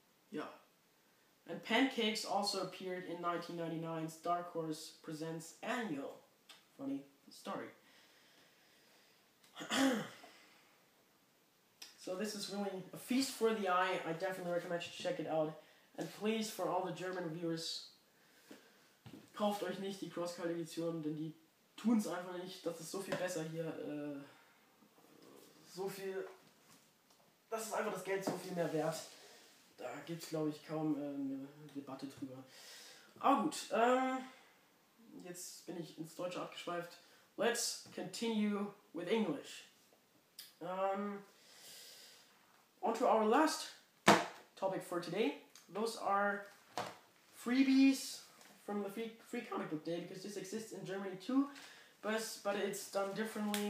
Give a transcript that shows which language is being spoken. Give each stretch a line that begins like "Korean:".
English: Yeah. And Pancakes also appeared in 1999's Dark Horse Presents Annual. Funny story. So this is really a feast for the eye. I definitely recommend you check it out. And please, for all the German viewers,
German: kauft euch nicht die Crosscut Edition, denn die tun's einfach nicht. Das ist so viel besser hier. So viel. Das ist einfach das Geld so viel mehr wert. Da gibt's, glaube ich, kaum eine Debatte drüber. Aber gut. Jetzt bin ich ins Deutsche abgeschweift.
English: Let's continue with English. On to our last topic for today. Those are freebies from the free comic book day, because this exists in Germany too, but it's done differently.